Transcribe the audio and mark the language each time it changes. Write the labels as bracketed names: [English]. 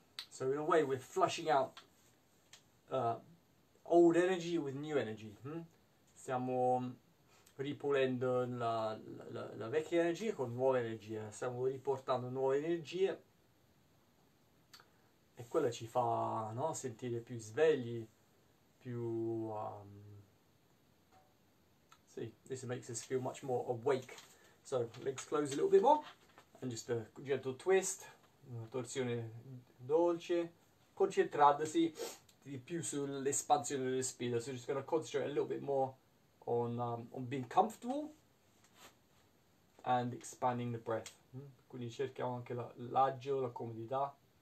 [English] So in a way, we're flushing out old energy with new energy. [Italian] Stiamo ripulendo la vecchia energia con nuove energie. Stiamo riportando nuove energie e quella ci fa, no, sentire più svegli, più... [English] See, this makes us feel much more awake. So, legs close a little bit more and just a gentle twist. [Italian] Una torsione dolce, concentrandosi di più sull'espansione del respiro. [English] So just gonna concentrate a little bit more on being comfortable and expanding the breath. [Italian] Quindi cerchiamo anche l'agio, la comodità.